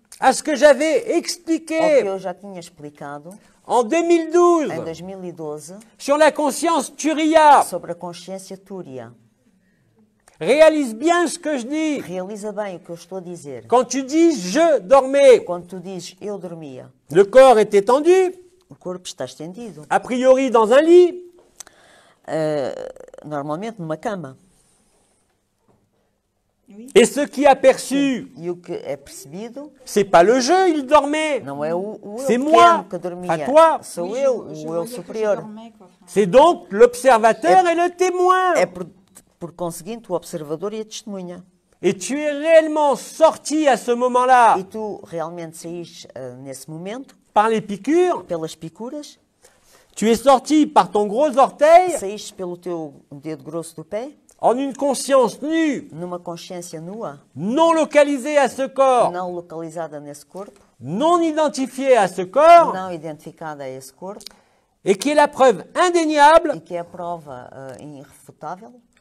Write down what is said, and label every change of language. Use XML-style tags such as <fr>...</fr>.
<fr>À ce que j'avais expliqué.</fr> <pt>Ao que eu já tinha explicado.</pt> <fr>En 2012.</fr> <pt>Em 2012.</pt> <fr>Sur la conscience Turiya.</fr> <pt>Sobre a consciência Turiya.</pt> <fr>Réalise bien ce que je dis.</fr> <pt>Realiza bem o que eu estou a dizer.</pt> <fr>Quand tu dis je dormais.</fr> <pt>Quando tu dizes eu dormia.</pt> <fr>Le corps est étendu.</fr> <pt>O corpo está estendido.</pt> <fr>A priori dans un lit.</fr> <pt>Normalmente numa cama.</pt> <fr>Et ce qui aperçu,</fr> <pt>e o que é percebido,</pt> <fr>c'est pas le jeu, il dormait.</fr> <pt>Não é o eu,</pt> <fr>c'est moi,</fr> <pt>que dormia.</pt> <fr>À toi.</fr> <pt>Sou oui, eu, o eu superior.</pt> <fr>C'est donc l'observateur et le témoin.</fr> <pt>É por conseguinte o observador e a testemunha.</pt> <fr>Et tu es réellement sorti à ce moment-là.</fr> <pt>E tu realmente saíste nesse momento.</pt> <fr>Par les piqûres.</fr> <pt>Pelas picuras.</pt> <fr>Tu es sorti par ton gros orteil.</fr> <pt>Saíste pelo teu dedo grosso do pé.</pt> <fr>En une conscience nue.</fr> <pt>Numa consciência nua.</pt> <fr>Non localisée à ce corps.</fr> <pt>Não localizada nesse corpo.</pt> <fr>Non identifiée à ce corps.</fr> <pt>Não identificada a esse corpo.</pt> <fr>Et qui est la preuve indéniable.</fr> <pt>E que é a prova irrefutável.</pt>